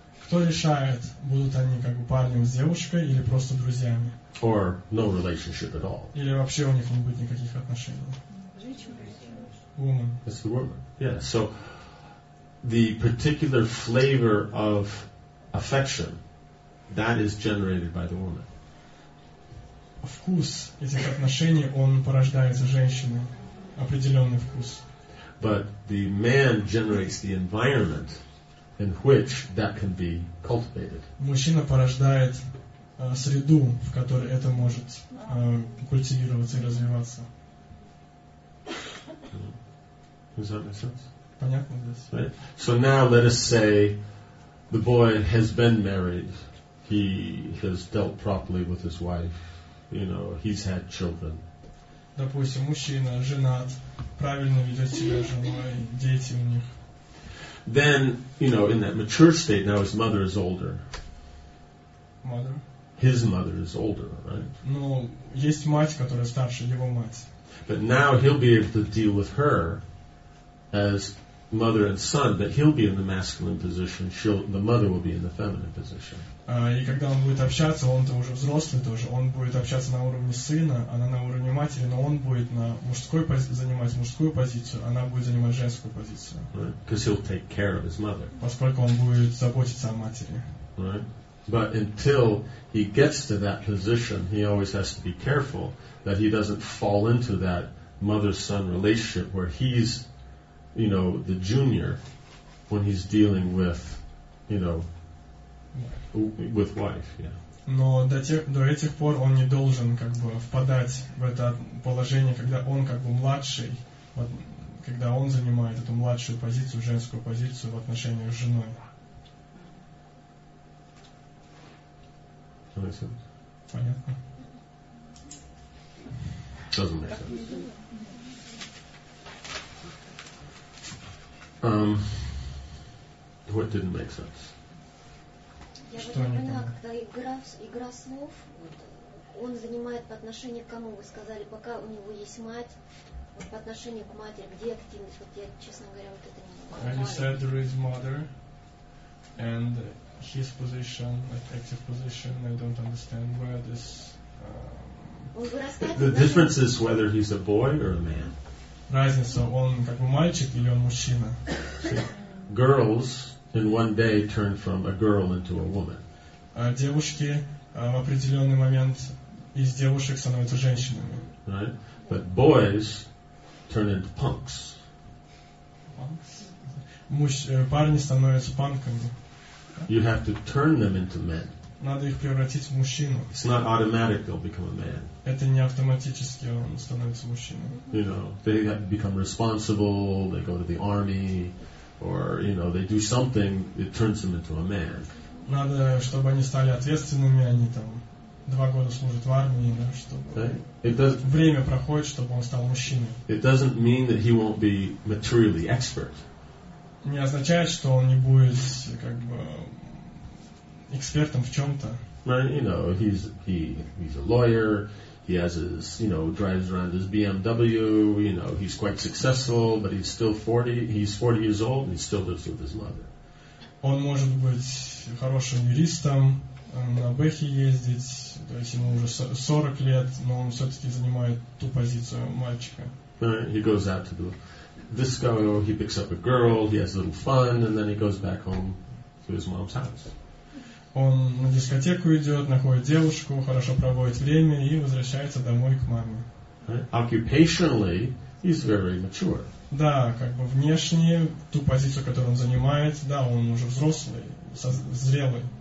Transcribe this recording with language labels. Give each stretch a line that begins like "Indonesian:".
Russian: Кто решает, будут они как бы парнем с девушкой или просто друзьями?
English: Or no relationship at all.
Russian: Или вообще у них не будет никаких отношений?
English: Woman. It's the woman. Yeah. So the particular flavor of affection that is generated by the woman.
Russian: Вкус этих отношений он порождается женщиной. Определенный вкус.
English: But the man generates the environment in which that can be cultivated.
Russian: Мужчина порождает среду, в которой это может культивироваться и развиваться.
English: Does that make sense?
Russian: Понятно здесь.
English: Right. So now let us say the boy has been married. He has dealt properly with his wife. You know, he's had children.
Russian: Допустим, мужчина женат, правильно ведет себя с женой, дети у них.
English: Then, you know, in that mature state, now his mother is older. Mother? His mother is older, right?
Russian: Ну, есть мать, которая старше, его мать.
English: But now he'll be able to deal with her as mother and son, that he'll be in the masculine position, the mother will be in the feminine position.
Russian: И когда он будет общаться, он-то уже взрослый тоже, он будет общаться на уровне сына, она на уровне матери, но он будет на мужской занимать мужскую позицию, она будет занимать женскую позицию.
English: Right. Because he'll take care of his mother.
Russian: Поскольку он будет заботиться о матери.
English: Right. But until he gets to that position, he always has to be careful that he doesn't fall into that mother-son relationship where he's, you know, the junior when he's dealing with, you know, with wife, yeah.
Russian: Но до этих пор он не должен как бы впадать в это положение, когда он как бы младший, вот, когда он занимает эту младшую позицию, женскую позицию в отношениях с женой. Понятно?
English: Doesn't make sense. What didn't make sense?
Russian: Я что не поняла, когда игра слов, вот, он занимает по отношению к кому, вы сказали, пока у него есть мать, вот, по отношению к матери, где активность, вот я, честно говоря, вот это не понимаю.
English: You said there is mother, and his position, like active position, I don't understand where this... The difference is whether he's a boy or a man.
Russian: Разница, он как бы мальчик или он мужчина.
English: Girls in one day turn from a girl into a woman.
Russian: Девушки в определенный момент из девушек становятся женщинами.
English: Right? But boys turn into punks. Punks?
Russian: Парни становятся панками.
English: You have to turn them into men.
Russian: Надо их превратить в мужчину.
English: It's not automatic they'll become a man.
Russian: Это не автоматически он становится мужчиной.
English: You know, they become responsible, they go to the army, or, you know, they do something, it turns them into a man.
Russian: Надо, чтобы они стали ответственными, они там два года служат в армии, да, чтобы время проходит, чтобы он стал мужчиной.
English: It doesn't mean that he won't be materially expert.
Russian: Не означает, что он не будет, как бы, экспертом в чем-то.
English: You know, he's a lawyer, he has his, you know, drives around his BMW, you know, he's quite successful, but he's still 40, he's 40 years old, and he still lives with his mother.
Russian: Он может быть хорошим юристом, на бэхе ездить, то есть ему уже 40 лет, но он все-таки занимает ту позицию мальчика.
English: He goes out to the disco, he picks up a girl, he has a little fun, and then he goes back home to his mom's house.
Russian: Он на дискотеку идет, находит девушку, хорошо проводит время и возвращается домой к маме.
English: Occupationally, he's very mature.
Russian: Да, как бы внешне, ту позицию, которую он занимает, да, он уже взрослый, зрелый.